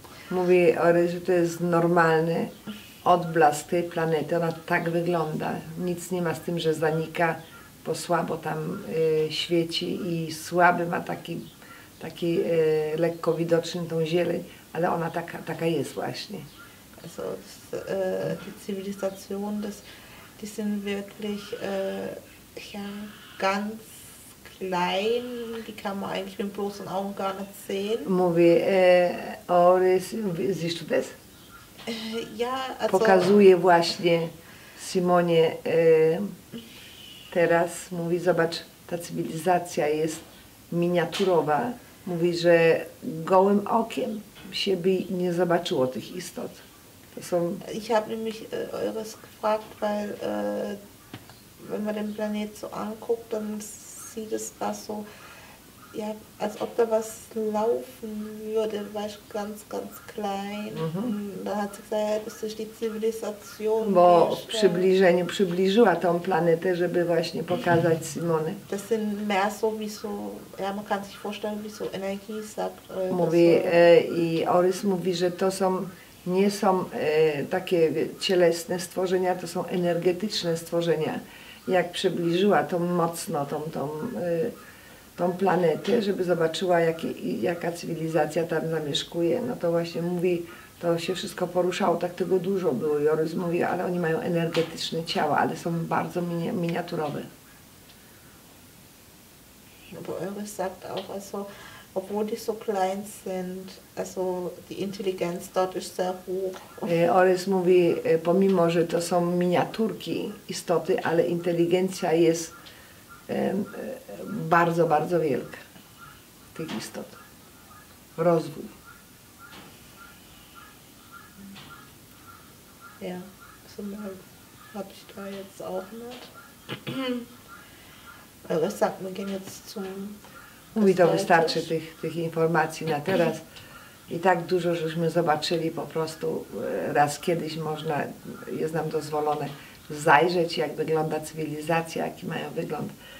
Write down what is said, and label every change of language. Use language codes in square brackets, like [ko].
[pl] Mówi, Eures, że to jest normalne. Odblask tej planety, ona tak wygląda. Nic nie ma z tym, że zanika, bo słabo tam świeci i słaby ma taki lekko widoczny tą zieleń, ale ona taka jest właśnie. [de] Also, die Zivilisation, die sind wirklich ja, ganz klein, die kann man eigentlich mit bloßen Augen gar nicht sehen. Mówi, Orys, siehst du das? Ja, [pl] also, pokazuje właśnie Simonie teraz, mówi, zobacz, ta cywilizacja jest miniaturowa, mówi, że gołym okiem się by nie zobaczyło tych istot. To są. [de] Ich habe nämlich Eures gefragt, weil wenn man den Planet so anguckt, dann sieht es da so, ja, als ob da was laufen würde, war ich ganz, ganz klein. Da hat sie gesagt, das ist die Zivilisation. [pl] Bo w przybliżeniu przybliżyła tą planetę, żeby właśnie pokazać Simone. [de] Das sind mehr so wie so, ja man kann sich vorstellen, wie so Energie sagt. [pl] Mówi, so. I Orys mówi, że to są, nie są takie cielesne stworzenia, to są energetyczne stworzenia. Jak przybliżyła tą mocno, tą tą planetę, żeby zobaczyła, jaka cywilizacja tam zamieszkuje. No to właśnie mówi, to się wszystko poruszało, tak tego dużo było. Joryz mówi, ale oni mają energetyczne ciała, ale są bardzo miniaturowe. No bo [de] Joryz sagt auch, also, obwohl die so klein sind, also die Intelligenz dort ist sehr hoch. [pl] Joryz mówi, pomimo, że to są miniaturki istoty, ale inteligencja jest bardzo, bardzo wielka tych istot. Rozwój. [de] Ja, so habe ich da jetzt auch nicht. Ale sagt, my gehen jetzt zum. [pl] Mówi, to wystarczy tych informacji na teraz. I tak dużo, żeśmy zobaczyli po prostu raz kiedyś można, jest nam dozwolone zajrzeć, jak wygląda cywilizacja, jaki mają wygląd.